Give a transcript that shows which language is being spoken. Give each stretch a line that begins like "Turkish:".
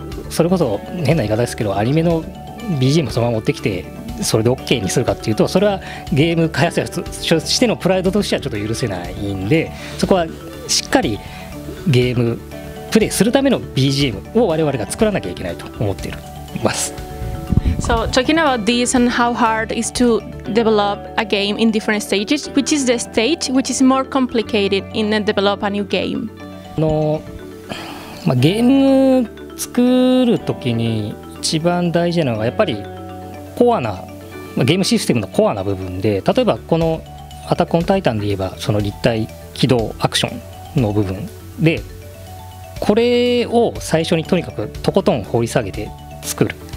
Japanese: それこそ変な言い方ですけどアニメの BGM そのまま持ってきてそれで OK にするかっていうとそれはゲーム開発者としてのプライドとしてはちょっと許せないんで、そこはしっかりゲームプレイするための BGM を我々が作らなきゃいけないと思っています。
English: So talking about this and how hard it is to develop a game in different stages, which is the stage which is more complicated in develop a new game?
Japanese: まあ、ゲーム作るときに一番大事なのはやっぱりコアな、まあ、ゲームシステムのコアな部分で、例えばこのアタックオンタイタンで言えばその立体起動アクションの部分で、これを最初にとにかくとことん掘り下げて作る。